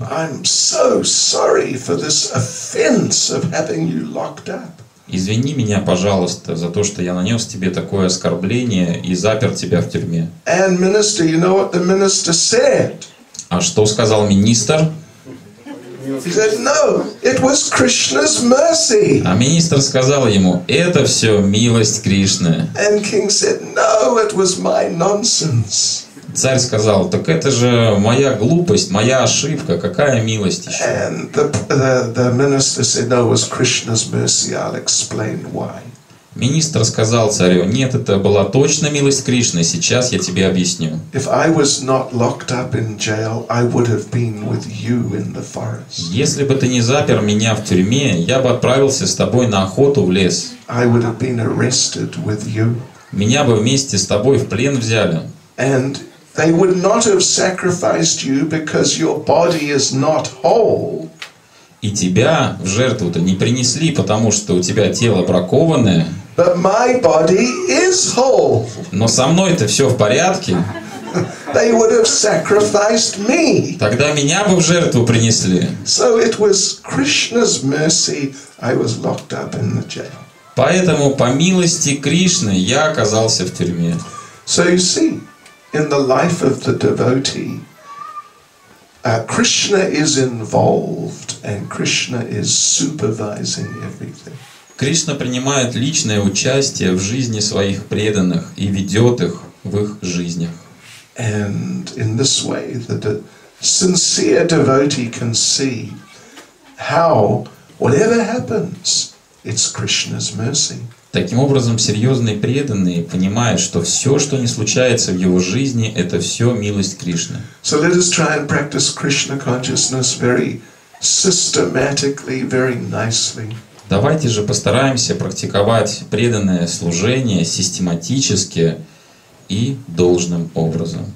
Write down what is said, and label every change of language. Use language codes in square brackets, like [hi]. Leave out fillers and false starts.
[en] I'm so sorry for this offense of having you locked up. [ru] Извини меня, пожалуйста, за то, что я нанес тебе такое оскорбление и запер тебя в тюрьме. [en] And minister, you know what the minister said? [ru] А что сказал министр? [en] He said, no, it was Krishna's mercy. [ru] А министр сказал ему: это все милость Кришны. [en] And king said, no, it was my nonsense. [ru] Царь сказал: так это же моя глупость, моя ошибка, какая милость еще? [en] And the minister said, no, it was Krishna's mercy. I'll explain why. [ru] Министр сказал царю: нет, это была точно милость Кришны, сейчас я тебе объясню. [en] If I was not locked up in jail, I would have been with you in the forest. [ru] Если бы ты не запер меня в тюрьме, я бы отправился с тобой на охоту в лес. [en] I would have been arrested with you. [ru] Меня бы вместе с тобой в плен взяли. [en] And they would not have sacrificed you because your body is not whole. [ru] И тебя в жертву-то не принесли, потому что у тебя тело бракованное. [en] But my body is whole. [ru] Но со мной-то все в порядке. [en] They would have sacrificed me. [ru] Тогда меня бы в жертву принесли. [en] So it was Krishna's mercy I was locked up in the jail. [ru] Поэтому по милости Кришны я оказался в тюрьме. [en] So you see, in the life of the devotee, Krishna is involved and Krishna is supervising everything. [ru] Кришна принимает личное участие в жизни своих преданных и ведет их в их жизнях. [en] And in this way that a sincere devotee can see how whatever happens, it's Krishna's mercy. [ru] Таким образом, серьезный преданный понимает, что все, что не случается в его жизни, это все милость Кришны. [en] So let us try and practice Krishna consciousness very systematically, very nicely. [ru] Давайте же постараемся практиковать преданное служение систематически и должным образом.